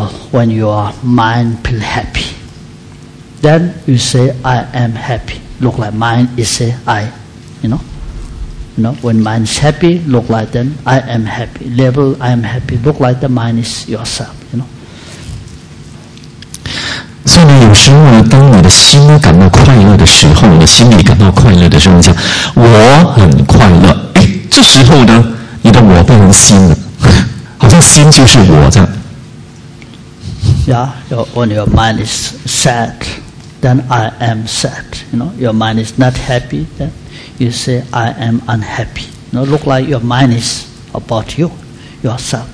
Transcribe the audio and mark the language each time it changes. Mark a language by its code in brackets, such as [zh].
[en] When your mind feel happy, then you say, I am happy. Look like mind is say, I, you know? You know, when mind is happy, look like then, I am happy. Level, I am happy. Look like the mind is yourself, you know? [zh] 所以呢，有时候呢，当你的心感到快乐的时候，你心里感到快乐的时候，你讲，我很快乐。这时候呢， 你的我变成心了，好像心就是我这样。Yeah, [en] when your mind is sad, then I am sad. You know, your mind is not happy, then you say I am unhappy. You know, look like your mind is about you, yourself.